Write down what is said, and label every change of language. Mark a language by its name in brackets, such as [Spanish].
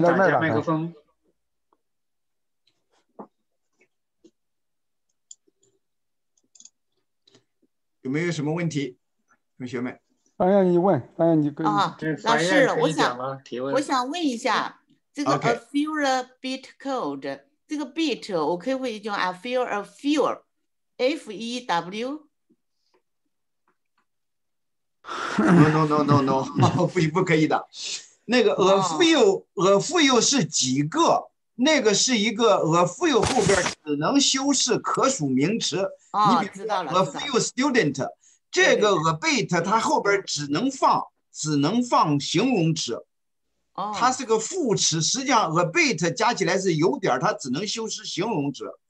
[Chinese] 打开麦克风。有没有什么问题，同学们？方燕，你问。方燕，你跟啊，老师，我想问一下，这个 [English] okay, "I feel a bit cold"， [Chinese] 这个 [English] "bit" [Chinese] 我可以问一句 [English] "I feel a few"，F E W。 No， [Chinese] 不可以的。那个 [English] "a few"，" [Chinese] a few" 是几个？那个是一个 [English] "a few" [Chinese] 后边只能修饰可数名词。哦，知道了。 [English] A few student， [Chinese] 这个 a bit 它后边只能放形容词，哦，它是个副词。实际上 [English] a bit [Chinese] 加起来是有点，它只能修饰形容词。